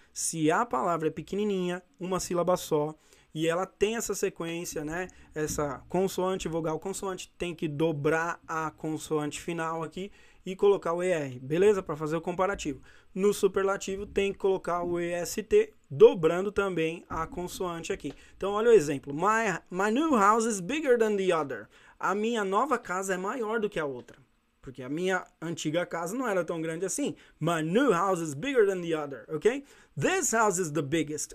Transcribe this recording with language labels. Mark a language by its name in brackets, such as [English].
[Portuguese] Se a palavra é pequenininha, uma sílaba só, e ela tem essa sequência, né? Essa consoante, vogal, consoante, tem que dobrar a consoante final aqui e colocar o ER, beleza? Para fazer o comparativo. No superlativo, tem que colocar o EST, dobrando também a consoante aqui. Então, olha o exemplo. [English] My new house is bigger than the other. [Portuguese] A minha nova casa é maior do que a outra. Porque a minha antiga casa não era tão grande assim. [English] My new house is bigger than the other, ok? This house is the biggest.